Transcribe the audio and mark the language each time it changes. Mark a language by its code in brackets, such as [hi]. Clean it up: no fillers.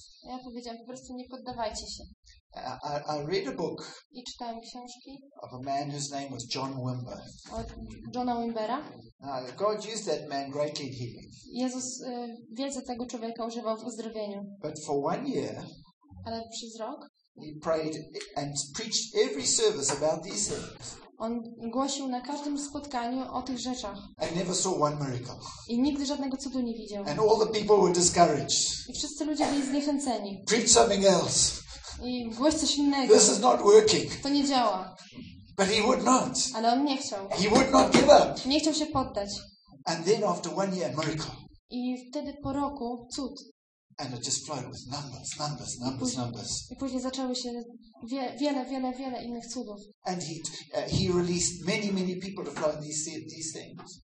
[pl] Ja powiedziałam, po prostu nie poddawajcie się. [en] I read a book. [pl] I czytałem książki. [en] Of a man whose name was John Wimber. [pl] Od Johna Wimbera. [en] God used that man greatly in healing. [pl] Jezus wiedzę tego człowieka używał w uzdrowieniu. [en] But for one year. [pl] Ale przez rok. [en] He prayed and preached every service about these things. [pl] On głosił na każdym spotkaniu o tych rzeczach. [en] And never saw one miracle. [pl] I nigdy żadnego cudu nie widział. [en] And all the people were discouraged. [pl] I wszyscy ludzie byli zniechęceni. [en] Preach something else. [pl] I głoś coś innego. [en] This is not working. [pl] To nie działa. [en] But he would not. [pl] Ale on nie chciał. [en] He would not give up. [pl] Nie chciał się poddać. [en] And then after one year, miracle. [pl] I wtedy po roku cud. [en] And it just flowed with numbers. [pl] I później zaczęły się wiele innych cudów. [en] And he released many people to flow in these things.